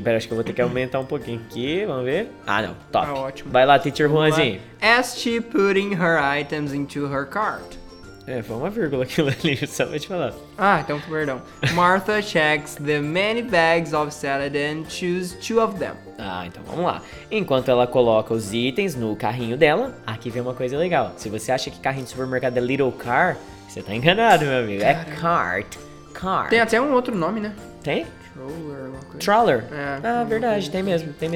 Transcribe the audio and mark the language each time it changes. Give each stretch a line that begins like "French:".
Portuguese: Pera, acho que eu vou ter que aumentar um pouquinho aqui. Vamos ver. Ah, não. Top. Tá ótimo. Vai lá, teacher Juanzinho.
English: As she putting her items into her cart.
Portuguese: É, foi uma vírgula aquilo ali, só vou te falar. Ah, então, perdão.
English: Martha checks the many bags of salad and choose 2 of them.
Portuguese: Ah, então vamos lá. Enquanto ela coloca os itens no carrinho dela, aqui vem uma coisa legal. Se você acha que carrinho de supermercado é little car, você tá enganado, meu amigo. Cara. É cart. Cart. Tem até um outro nome, né? Tem? Troller. É. Ah, verdade, tem mesmo.